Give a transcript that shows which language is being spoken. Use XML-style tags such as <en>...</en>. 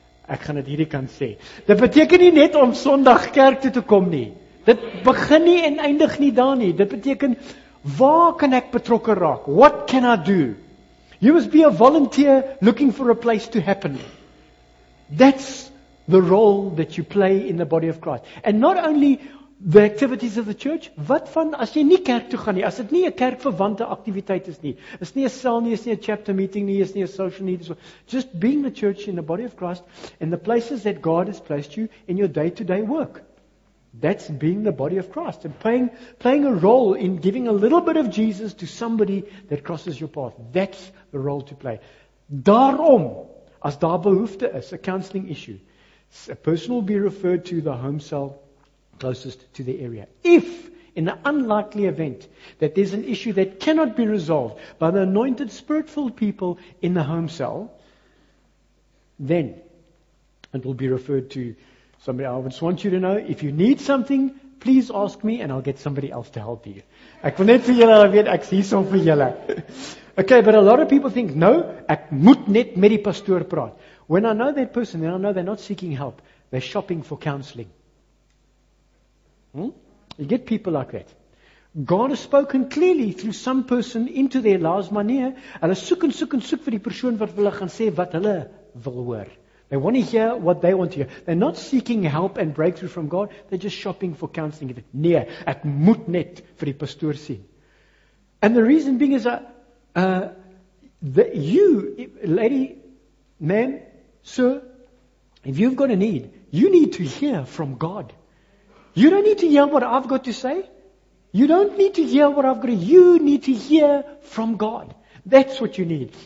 <af>Ek gaan het hierdie kant sê. Dit beteken nie net om Sondag kerk toe te kom nie. Dit begin nie en eindig nie daar nie. Dit beteken, waar kan ek betrokke raak?</af> <en>What can I do? You must be a volunteer looking for a place to happen. That's the role that you play in the body of Christ. And not only the activities of the church,</en> <af>wat van as jy nie kerk toe gaan nie, as dit nie 'n kerkverwante aktiwiteit is nie, is nie 'n sel nie, is nie 'n chapter meeting nie, is nie 'n social need,</af> <en>just being the church in the body of Christ in the places that God has placed you in your day-to-day work. That's being the body of Christ and playing a role in giving a little bit of Jesus to somebody that crosses your path. That's the role to play.</en> <af>Daarom, as daar behoefte is,</af> <en>a counseling issue, a person will be referred to the home cell closest to the area. If, in the unlikely event, that there's an issue that cannot be resolved by the anointed, spirit-filled people in the home cell, then and will be referred to somebody. I just want you to know, if you need something, please ask me and I'll get somebody else to help you.</en> <af>Ek wil net vir julle weet, ek sien so vir julle.</af> <en>Okay, but a lot of people think, no,</en> <af>ek moet net met die pastoor praat.</af> <en>When I know that person, then I know they're not seeking help. They're shopping for counseling. You get people like that. God has spoken clearly through some person into their lives manier.</en> <af>Hulle soek en soek en soek vir die persoon wat hulle gaan sê wat hulle wil hoor.</af> <en>They want to hear what they want to hear. They're not seeking help and breakthrough from God. They're just shopping for counseling.</en> <af>Nee, ek moet net vir die pastoor sien.</af> <en>And the reason being is that you, lady, ma'am, sir, if you've got a need, you need to hear from God. You don't need to hear what I've got to say. You don't need to hear what I've got to say. You need to hear from God. That's what you need.</en>